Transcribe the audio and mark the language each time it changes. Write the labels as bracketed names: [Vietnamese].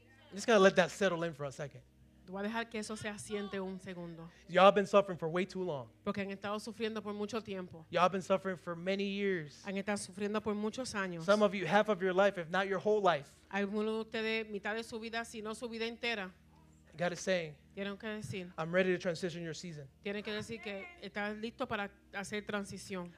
[English] I'm just going to let that settle in for a second. [Spanish] Voy a dejar que eso se asiente un segundo. [English] Y'all have been suffering for way too long. [Spanish] Porque han estado sufriendo por mucho tiempo. [English] Y'all have been suffering for many years. [Spanish] Han estado sufriendo por muchos años. [English] Some of you, half of your life, if not your whole life. [Spanish] Algunos de ustedes, mitad de su vida, si no su vida entera. [English] God is saying, [Spanish] tienen que decir, [English] I'm ready to transition your season. [Spanish] Tienen que decir que estás listo para hacer transición.